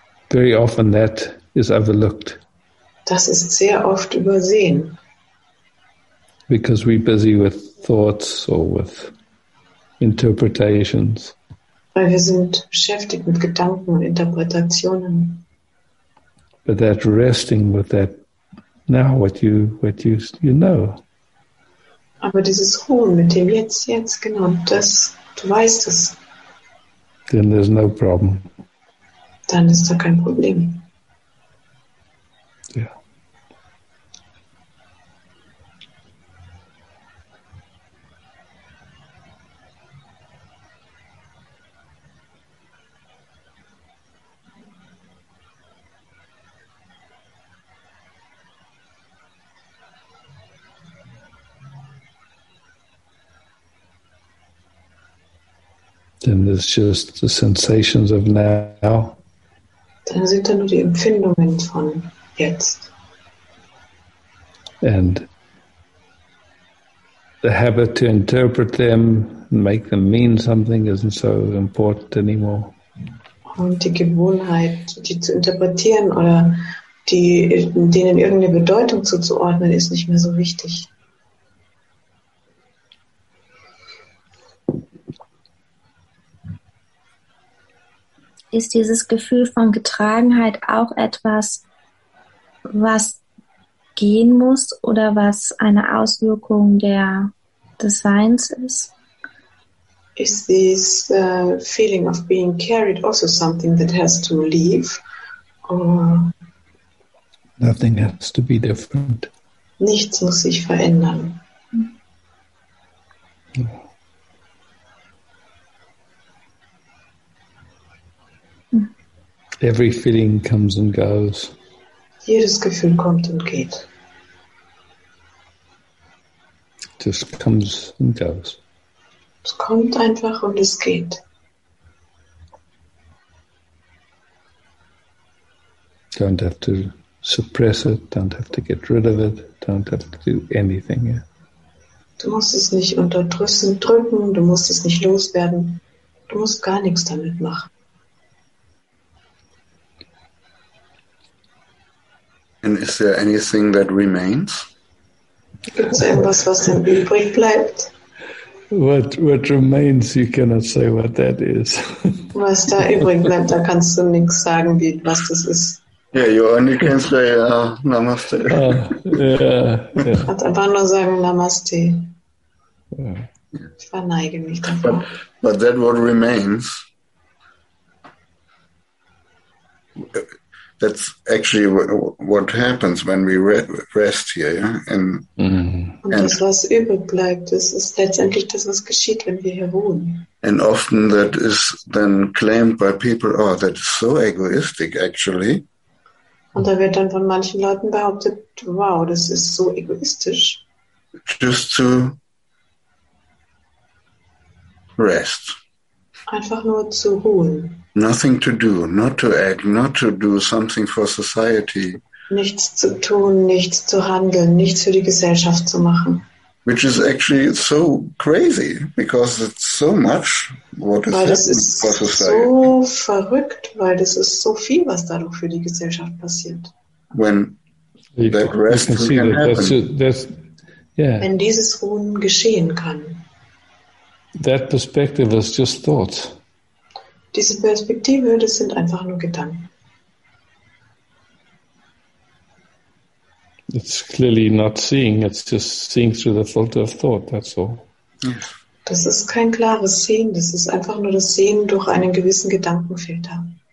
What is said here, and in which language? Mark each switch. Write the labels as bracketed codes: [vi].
[en] Very often that is overlooked. [de] Das ist sehr oft übersehen. [en] Because we're busy with thoughts or with interpretations. [de] Weil wir sind beschäftigt mit Gedanken und Interpretationen. [en] But that resting with that now, what you know. [de] Aber dieses Ruhen mit dem jetzt genau das, du weißt es. [en] Then there's no problem. [de] Dann ist da kein Problem. [en] Yeah. Then it's just the sensations of now. [de] Dann sind da nur die Empfindungen von jetzt. [en] And the habit to interpret them and make them mean something isn't so important anymore. [de] Und die Gewohnheit, die zu interpretieren oder die denen irgendeine Bedeutung zuzuordnen, ist nicht mehr so wichtig. Ist dieses Gefühl von Getragenheit auch etwas, was gehen muss oder was eine Auswirkung der Designs ist? [en] Is this feeling of being carried also something that has to leave? Or nothing has to be different. [de] Nichts muss sich verändern. [en] Every feeling comes and goes. [de] Jedes Gefühl kommt und geht. [en] Just comes and goes. [de] Es kommt einfach und es geht. [en] Don't have to suppress it, don't have to get rid of it, don't have to do anything. Yeah. [de] Du musst es nicht unterdrücken, du musst es nicht loswerden, du musst gar nichts damit machen. [en] And is there anything that remains? [de] Gibt es etwas, was dann übrig bleibt? [en] What remains, you cannot say what that is. [de] Was da übrig bleibt, da kannst du nichts sagen, wie was das ist. [en] Yeah, you only can say namaste. [de] Kannst einfach nur sagen namaste. Ich verneige mich davor. [en] But that what remains, that's actually what happens when we rest here, yeah? And, [de] mm-hmm. [en] And [de] das, was übrig bleibt, das ist letztendlich das, was geschieht, wenn wir hier ruhen. [en] And often that is then claimed by people, oh, that is so egoistic, actually. [de] Und da wird dann von manchen Leuten behauptet, wow, das ist so egoistisch. [en] Just to rest. [de] Einfach nur zu ruhen. [en] Nothing to do, not to act, not to do something for society. [de] Nichts zu tun, nichts zu handeln, nichts für die Gesellschaft zu machen. [en] Which is actually so crazy, because it's so much what [de] weil [en] is [de] das ist [en] for society. [de] So verrückt, weil das ist so viel, was dadurch für die Gesellschaft passiert. [en] When that rest can happen. [de] Wenn dieses Ruhen geschehen kann. [en] That perspective is just thought. [de] Diese Perspektive, das sind einfach nur Gedanken. [en] It's clearly not seeing, it's just seeing through the filter of thought, that's all. [de] Das ist kein klares Sehen, das ist einfach nur das Sehen durch einen gewissen Gedankenfilter.